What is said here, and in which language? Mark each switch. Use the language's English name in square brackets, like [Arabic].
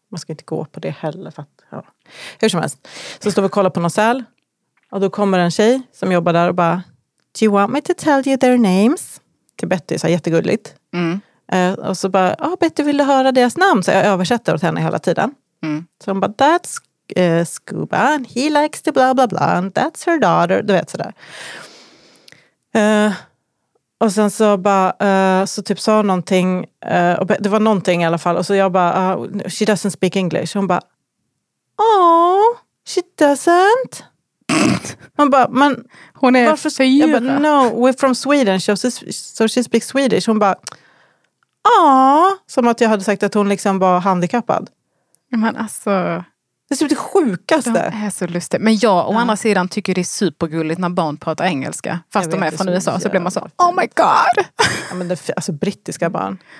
[Swedish] Man ska inte gå på det heller. För att, ja. Hur som helst. Så står vi och kollar på någon säl. Och då kommer en tjej som jobbar där och bara, [English] do you want me to tell you their names? [Swedish] Till Betty, så här, jättegulligt. Mm. Och så bara, ja, Betty, vill du höra deras namn? Så jag översätter åt henne hela tiden. Mm. Så hon bara, [English] that's Scuba, and he likes to blah blah blah, and that's her daughter, [Swedish] du vet sådär. Och sen så bara så typ sa någonting, och det var någonting i alla fall, och så jag bara [English] she doesn't speak English. [Swedish] Hon bara, [English] oh, she doesn't. [Swedish] Hon bara, men hon är varför, fyra. Jag bara, [English] no, we're from Sweden, so she speaks Swedish. [Swedish] Hon bara, oh, som att jag hade sagt att hon liksom var handikappad. Men alltså, det är typ det sjukaste. De är så lustiga. Men jag, å andra sidan, tycker det är supergulligt när barn pratar engelska. Fast de är från USA, så blir man så, [English] oh my god! [Swedish] Ja, men alltså, brittiska barn.